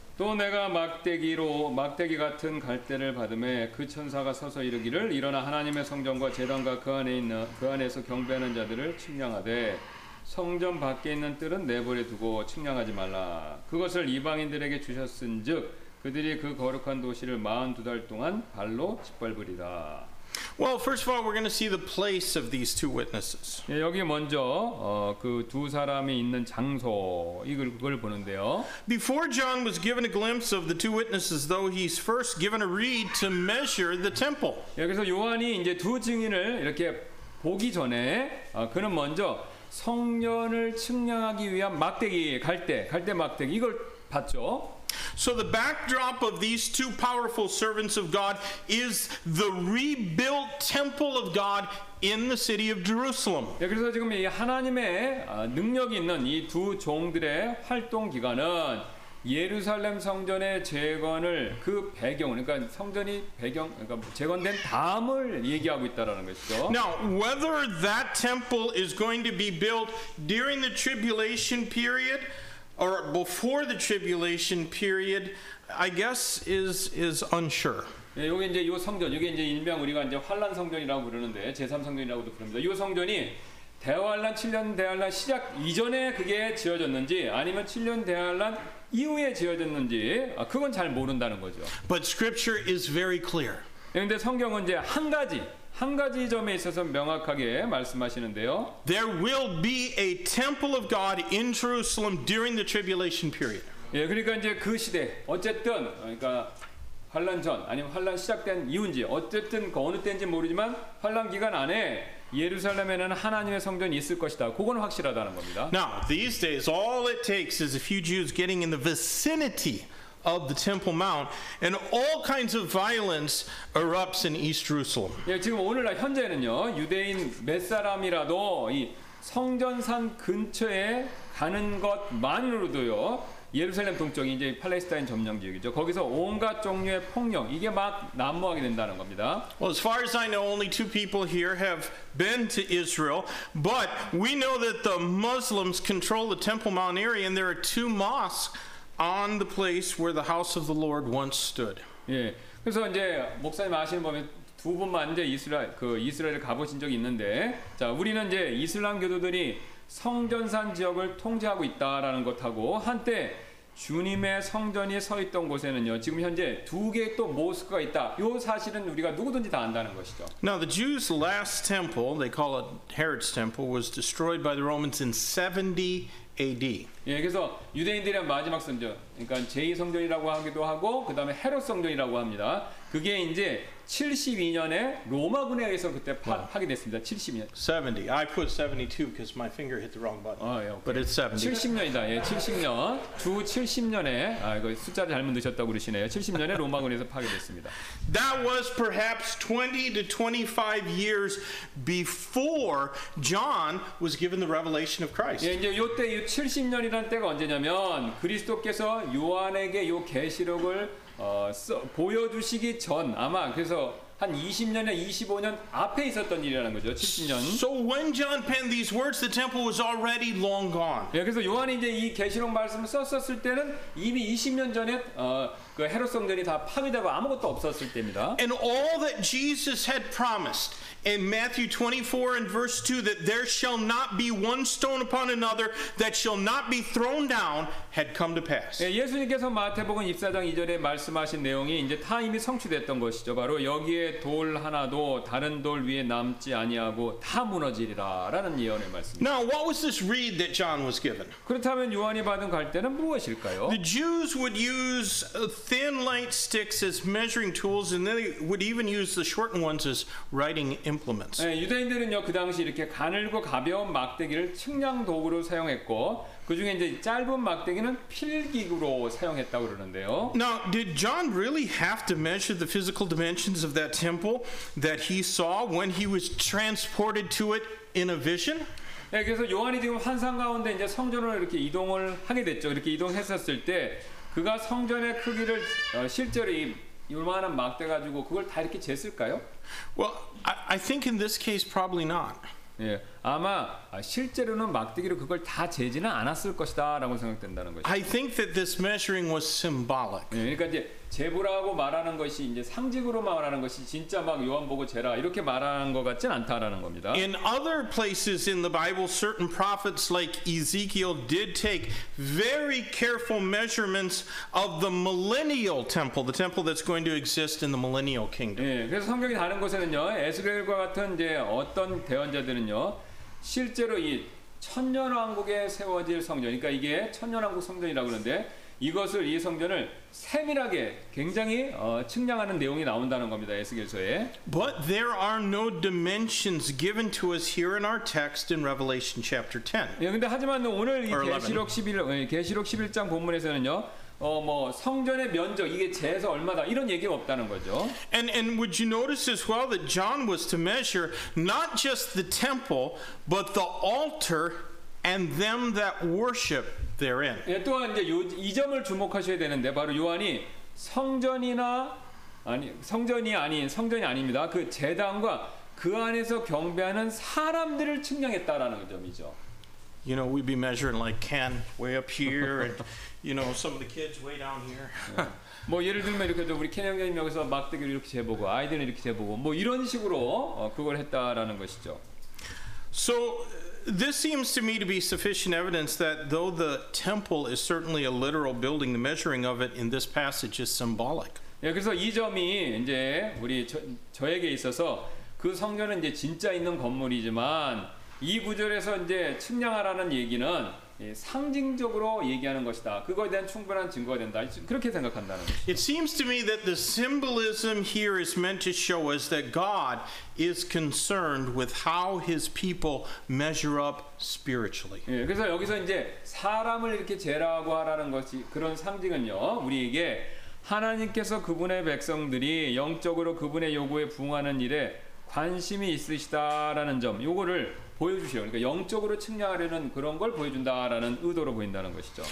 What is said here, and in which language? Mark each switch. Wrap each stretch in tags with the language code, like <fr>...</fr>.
<ko>또 내가 막대기로 막대기 같은 갈대를 받음에 그 천사가 서서 이르기를 일어나 하나님의 성전과 제단과 그 안에 있는 그 안에서 경배하는 자들을 측량하되 성전 밖에 있는 뜰은 내버려 두고 측량하지 말라. 그것을 이방인들에게 주셨은즉 그들이 그 거룩한 도시를 42달 동안 발로 짓밟으리라.</ko> <en>Well, first of all, we're going to see the place of these two witnesses.</en> <ko>여기 먼저 그 두 사람이 있는 장소 이걸 보는데요.</ko> <en>Before John was given a glimpse of the two witnesses, though he's first given a reed to measure the temple.</en> <ko>여기서 요한이 이제 두 증인을 이렇게 보기 전에 그는 먼저 성전을 측량하기 위한 막대기 갈대 막대기 이걸 봤죠.</ko> <en>So the backdrop of these two powerful servants of God is the rebuilt temple of God in the city of Jerusalem.</en> <ko>그래서 지금 이 하나님의 능력이 있는 이 두 종들의 활동 기간은 예루살렘 성전의 재건을 그 배경, 그러니까 성전이 배경, 그러니까 재건된 다음을 얘기하고 있다라는 것이죠.</ko> <en>Now, whether that temple is going to be built during the tribulation period or before the tribulation period, I guess is unsure.</en> <ko>예, 여기 이제 이 성전, 여기 이제 일명 우리가 이제 환란 성전이라고 부르는데 제3 성전이라고도 부릅니다. 이 성전이 대환란 7년 대환란 시작 이전에 그게 지어졌는지 아니면 7년 대환란 이후에 지어졌는지 그건 잘 모른다는 거죠.</ko> <en>But scripture is very clear.</en> <ko>그런데 성경은 이제 한 가지 점에 있어서 명확하게 말씀하시는데요.</ko> <en>There will be a temple of God in Jerusalem during the tribulation period.</en> <ko>예, 그러니까 이제 그 시대 어쨌든 그러니까 환란 전 아니면 환란 시작된 이후인지 어쨌든 그 어느 때인지 모르지만 환란 기간 안에 예루살렘에는 하나님의 성전이 있을 것이다. 그건 확실하다는 겁니다.</ko> <en>Now, these days all it takes is a few Jews getting in the vicinity of the Temple Mount and all kinds of violence erupts in East Jerusalem.</en> <ko>예, 지금 오늘날 현재는요. 유대인 몇 사람이라도 이 성전산 근처에 가는 것만으로도요. 예루살렘 동쪽이 이제 팔레스타인 점령 지역이죠. 거기서 온갖 종류의 폭력 이게 막 난무하게 된다는 겁니다.</ko> <en>Well, as far as I know, only two people here have been to Israel, but we know that the Muslims control the Temple Mount area, and there are two mosques on the place where the House of the Lord once stood.</en> <ko>예, 그래서 이제 목사님 아시는 법에 두 분만 이제 이스라엘을 가보신 적이 있는데, 자 우리는 이제 이슬람 교도들이 성전산 지역을 통제하고 있다라는 것하고 한때 주님의 성전이 서 있던 곳에는요 지금 현재 두 개의 또 모스크가 있다. 이 사실은 우리가 누구든지 다 안다는 것이죠.</ko> <en>Now the Jews' last temple, they call it Herod's temple, was destroyed by the Romans in 70 AD.</en> <ko>예, 그래서 유대인들의 마지막 성전, 그러니까 제2 성전이라고 하기도 하고 그 다음에 헤롯 성전이라고 합니다. 그게 이제 72년에 로마군에 의해서 그때 파괴됐습니다. 72년.</ko> <en>70. I put 72 because my finger hit the wrong button.</en> <ko>아, 예,</ko> <en>but it's 70.</en> <ko>70년이다. 예, 70년. 주 70년에 아, 이거 숫자를 잘못 넣으셨다고 그러시네요. 70년에 로마군에서 파괴됐습니다.</ko> <en>That was perhaps 20 to 25 years before John was given the revelation of Christ.</en> <ko>예, 이제 요때 요 70년이란 때가 언제냐면 그리스도께서 요한에게 요 계시록을 보여주시기 전 아마 그래서 한 20년에 25년 앞에 있었던 일이라는 거죠. 70년.</ko> <en>So when John penned these words, the temple was already long gone.</en> <ko>예, 그래서 요한이 이제 이 계시록 말씀을 썼었을 때는 이미 20년 전에 그 헤롯 성전이 다 파괴되고 아무것도 없었을 때입니다.</ko> <en>And all that Jesus had promised in Matthew 24 and verse 2 that there shall not be one stone upon another that shall not be thrown down had come to pass.</en> <ko>예, 예수님께서 마태복음 24장 2절에 말씀하신 내용이 이제 다 이미 성취됐던 것이죠. 바로 여기에 돌 하나도 다른 돌 위에 남지 아니하고 다 무너지리라라는 예언의 말씀입니다.</ko> <en>Now what was this reed that John was given?</en> <ko>그렇다면 요한이 받은 갈대는 무엇일까요?</ko> <en>The Jews would use thin light sticks as measuring tools, and they would even use the shortened ones as writing implements.</en> <ko>예, 유대인들은요 그 당시 이렇게 가늘고 가벼운 막대기를 측량 도구로 사용했고 그 중에 이제 짧은 막대기는 필기구로 사용했다고 그러는데요.</ko> <en>Now, did John really have to measure the physical dimensions of that temple that he saw when he was transported to it in a vision?</en> <ko>예, 그래서 요한이 지금 환상 가운데 이제 성전을 이렇게 이동을 하게 됐죠. 이렇게 이동했었을 때. 그가 성전의 크기를 실제로 이 요만한 막대 가지고 그걸 다 이렇게 쟀을까요?</ko> <en>Well, I think in this case probably not.</en> <ko>예, 아마 실제로는 막대기로 그걸 다 재지는 않았을 것이다라고 생각된다는 것이.</ko> <en>I think that this measuring was symbolic.</en> <ko>네, 그러니까 이제 재보라고 말하는 것이 이제 상징으로 말하는 것이 진짜 막 요한 보고 재라 이렇게 말하는 것 같진 않다라는 겁니다.</ko> <en>In other places in the Bible, certain prophets like Ezekiel did take very careful measurements of the millennial temple, the temple that's going to exist in the millennial kingdom.</en> <ko>네, 그래서 성경이 다른 곳에는요, 에스겔과 같은 이제 어떤 대언자들은요, 실제로 이 천년 왕국에 세워질 성전, 그러니까 이게 천년 왕국 성전이라고 그러는데. 이것을 이 성전을 세밀하게 굉장히 측량하는 내용이 나온다는 겁니다. 에스겔서에.</ko> <en>But there are no dimensions given to us here in our text in Revelation chapter 10.</en> <ko>예, 근데 하지만 오늘 이 계시록 11 계시록 11장 본문에서는요. 뭐 성전의 면적 이게 재에서 얼마다 이런 얘기가 없다는 거죠.</ko> <en>And would you notice as well that John was to measure not just the temple but the altar and them that worship therein.</en> <ko>예, 또한 이제 이 점을 주목하셔야 되는데 바로 요한이 성전이 아닙니다. 그 제단과 그 안에서 경배하는 사람들을 측량했다라는 점이죠.</ko> <en>You know, we'd be measuring like Ken way up here and you know, some of the kids way down here.</en> <ko>뭐 예를 들면 이렇게 우리 켄 형님 여기서 막대기를 이렇게 재보고 아이들은 이렇게 재보고 뭐 이런 식으로 그걸 했다라는 것이죠.</ko> <en>So this seems to me to be sufficient evidence that though the temple is certainly a literal building, the measuring of it in this passage is symbolic.</en> <ko>예, 그래서 이 점이 이제 우리 저에게 있어서 그 성전은 이제 진짜 있는 건물이지만 이 구절에서 이제 측량하라는 얘기는 예, 상징적으로 얘기하는 것이다. 그거에 대한 충분한 증거가 된다. 그렇게 생각한다는 것이죠.</ko> <en>It seems to me that the symbolism here is meant to show us that God is concerned with how his people measure up spiritually.</en> <ko>예, 그래서 여기서 이제 사람을 이렇게 재라고 하라는 것이 그런 상징은요. 우리에게 하나님께서 그분의 백성들이 영적으로 그분의 요구에 부응하는 일에 관심이 있으시다라는 점. 요거를 보여주시오. 그러니까 영적으로 측량하려는 그런 걸 보여준다라는 의도로 보인다는 것이죠.</ko>